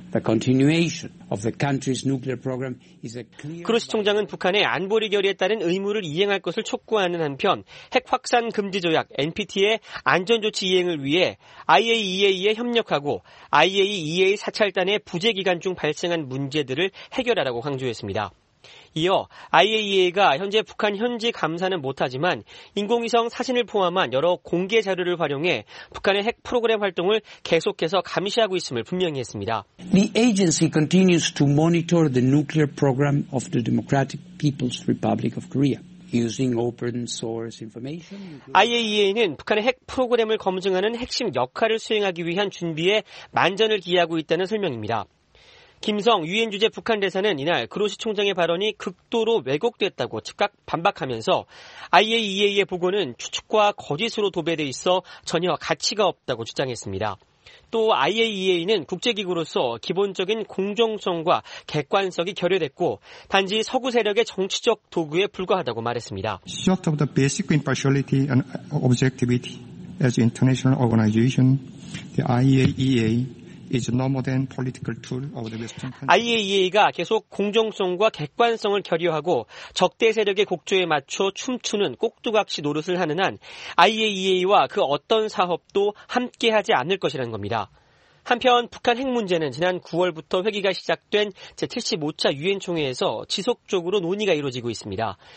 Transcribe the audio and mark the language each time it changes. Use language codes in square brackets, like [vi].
[en] The continuation of the country's nuclear program is a clear. [ko] 그루시 총장은 북한의 안보리 결의에 따른 의무를 이행할 것을 촉구하는 한편 핵 확산 금지 조약 NPT의 안전 조치 이행을 위해 IAEA에 협력하고 IAEA 사찰단의 부재 기간 중 발생한 문제들을 해결하라고 강조했습니다. 이어 IAEA가 현재 북한 현지 감사는 못하지만 인공위성 사진을 포함한 여러 공개 자료를 활용해 북한의 핵 프로그램 활동을 계속해서 감시하고 있음을 분명히 했습니다. [en] The agency continues to monitor the nuclear program of the Democratic People's Republic of Korea. Using open source information. [ko] IAEA는 북한의 핵 프로그램을 검증하는 핵심 역할을 수행하기 위한 준비에 만전을 기하고 있다는 설명입니다. 김성 유엔 주재 북한 대사는 이날 그로시 총장의 발언이 극도로 왜곡됐다고 즉각 반박하면서 IAEA의 보고는 추측과 거짓으로 도배돼 있어 전혀 가치가 없다고 주장했습니다. 또 IAEA는 국제기구로서 기본적인 공정성과 객관성이 결여됐고 단지 서구 세력의 정치적 도구에 불과하다고 말했습니다. [en] Short of the basic impartiality and objectivity as an international organization, the IAEA is no more than political tool of the Western countries. [ko] IAEA가 계속 공정성과 객관성을 결여하고 적대 세력의 곡조에 맞춰 춤추는 꼭두각시 노릇을 하는 한 IAEA와 그 어떤 사업도 함께하지 않을 것이라는 겁니다. 한편 북한 핵 문제는 지난 9월부터 회기가 시작된 제75차 유엔총회에서 지속적으로 논의가 이루어지고 있습니다.